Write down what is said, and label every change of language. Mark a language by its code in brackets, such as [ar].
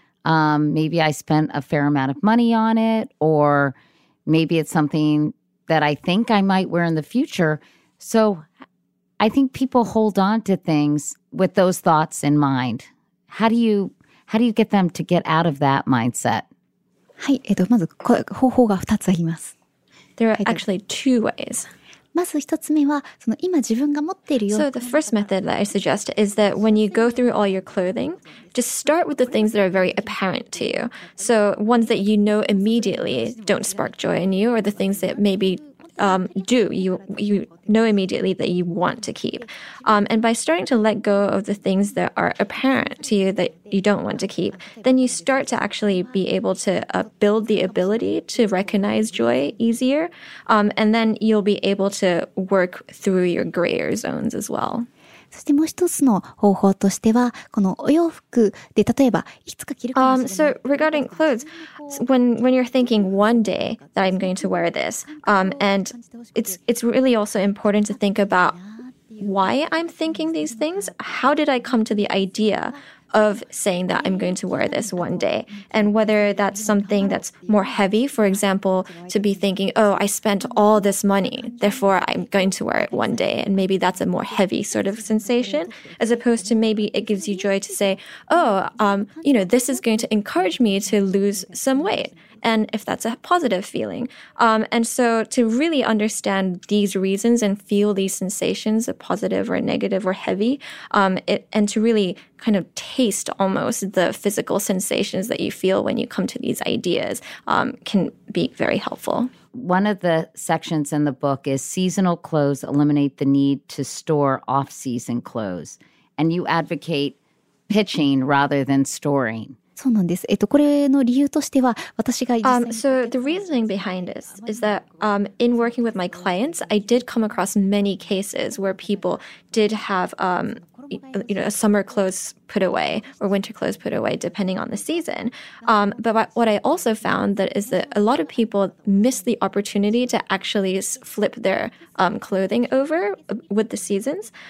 [en] Maybe I spent a fair amount of money on it, or maybe it's something that I think I might wear in the future. So I think people hold on to things with those thoughts in mind. How do you get them to get out of that mindset? [ja] はい、まず方法が2つあります。 [en] There are actually two ways. [ja] まず1つ目は、その今自分が持っているよ。 [en] So the first method that I suggest is that when you go through all your clothing, just start with the things that are very apparent to you. So ones that you know immediately don't spark joy in you, or the things that maybe do you know immediately that you want to keep. And by starting to let go of the things that are apparent to you that you don't want to keep, then you start to actually be able to build the ability to recognize joy easier. And then you'll be able to work through your grayer zones as well. [ja] そしてもう一つの方法としてはこのお洋服で例えばいつか着るかもしれない。 [en] So regarding clothes, when you're thinking one day that I'm going to wear this, and it's really also important to think about why I'm thinking these things. How did I come to the idea of saying that I'm going to wear this one day? And whether that's something that's more heavy, for example, to be thinking, oh, I spent all this money, therefore I'm going to wear it one day. And maybe that's a more heavy sort of sensation, as opposed to maybe it gives you joy to say, oh, you know, this is going to encourage me to lose some weight. And if that's a positive feeling. And so to really understand these reasons and feel these sensations, a positive or a negative or heavy, and to really kind of taste almost the physical sensations that you feel when you come to these ideas can be very helpful. One of the sections in the book is seasonal clothes eliminate the need to store off-season clothes. And you advocate pitching rather than storing. [ja] そうなんです。これの理由としては、私が実際に… [en] So the reasoning behind this is that in working with my clients, I did come across many cases where people did have you know, summer clothes put away or winter clothes put away depending on the season. But what I also found that is that a lot of people miss the opportunity to actually flip their clothing over with the seasons.